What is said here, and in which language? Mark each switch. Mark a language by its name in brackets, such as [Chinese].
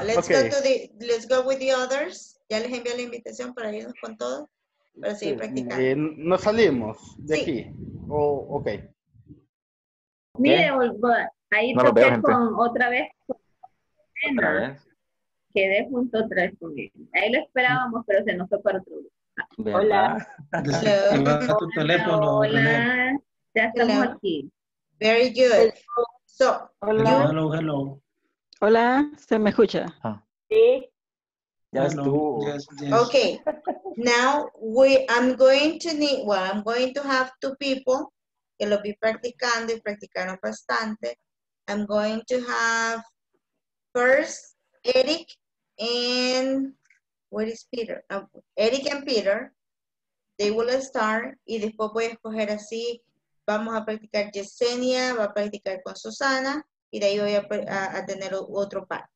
[English] Let's okay, go to the let's go with the others. [Spanish] Ya les envié la invitación para irnos con todo. Para seguir practicando. Bien, nos salimos de sí, aquí. Oh, okay. Mire, ahí no toqué con otra vez con Elena. Quedé junto otra vez con él. Ahí lo esperábamos, pero se nos fue para otro lugar. Hola. Hola. Hola. Tu teléfono. Hola. Ya estamos hello, aquí. [English] Very good. So, [Spanish] hola. [English] Hello, hello. [Spanish] Hola, ¿se me escucha? Ah. Sí. Ya estuvo. [English] Okay. Now we I'm going to need well, I'm going to have two people. [Spanish] Que lo vi practicando y practicaron bastante. [English] I'm going to have first Eric and what is Peter? [Spanish] Eric and Peter. [English] They will start [Spanish] y después voy a escoger así. Vamos a practicar Yesenia, va a practicar con Susana y de ahí voy a tener otro par.